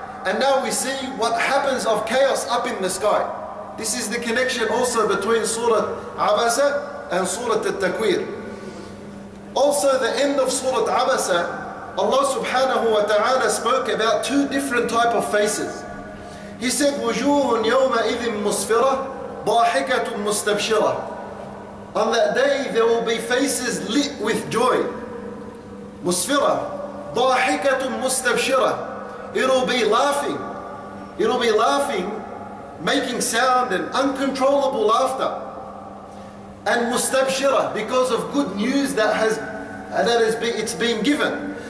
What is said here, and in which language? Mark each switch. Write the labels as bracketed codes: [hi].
[en] And now we see what happens of chaos up in the sky. This is the connection also between Surah Abasa and Surah Al-Takweer. Also, the end of Surah Abasa, Allah subhanahu wa ta'ala spoke about two different type of faces. He said, [ar] وَجُوهٌ يَوْمَئِذٍ مُصْفِرَةٌ ضَاحِكَةٌ مُسْتَبْشِرَةٌ. [en] On that day, there will be faces lit with joy. [ar] مُصْفِرَةٌ ضَاحِكَةٌ مُسْتَبْشِرَةٌ. [en] It'll be laughing. It'll be laughing, making sound and uncontrollable laughter. And مُسْتَبْشِرَةٌ, because of good news that has, it's been given.